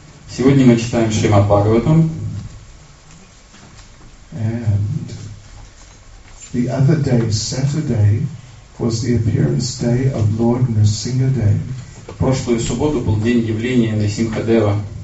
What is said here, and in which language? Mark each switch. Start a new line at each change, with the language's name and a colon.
Russian: Сегодня мы читаем Шримад Бхагаватам.
English: And the other day, Saturday, was the appearance day of Lord Nrisimha Dev.
Russian: Прошлую субботу был день явления Нрисимха Дева.